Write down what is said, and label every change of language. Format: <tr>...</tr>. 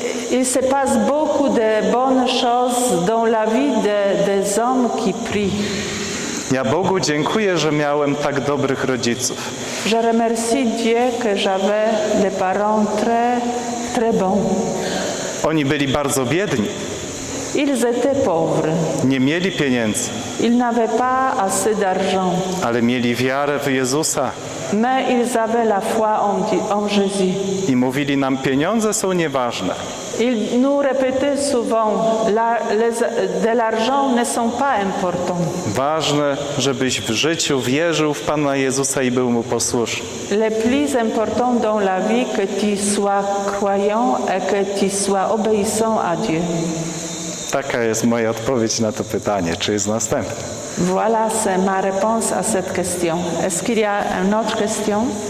<fr>Il se passe beaucoup de bonnes choses dans la vie des hommes qui prient.</fr> <pl>Ja Bogu dziękuję, że miałem tak dobrych rodziców.</pl> <fr>Je remercie Dieu que j'avais des parents très très bons.</fr> <pl>Oni byli bardzo biedni.</pl> <fr>Ils étaient pauvres.</fr> <pl>Nie mieli pieniędzy.</pl> <fr>Ils n'avaient pas assez d'argent.</fr> <pl>Ale mieli wiarę w Jezusa.</pl> <fr>Mais ils avaient la foi en Jésus.</fr> <pl>I mówili nam, pieniądze są nieważne.</pl> <fr>Ils nous répétaient souvent, de l'argent ne sont pas importants.</fr> <pl>Ważne, żebyś w życiu wierzył w Pana Jezusa i był mu posłuszny.</pl> <fr>Le plus important dans la vie que tu sois croyant et que tu sois obéissant à Dieu.</fr> <pl>Taka jest moja odpowiedź na to pytanie. Czy jest następne?</pl> <fr>Voilà, c'est ma réponse à cette question. Est-ce qu'il y a une autre question?</fr>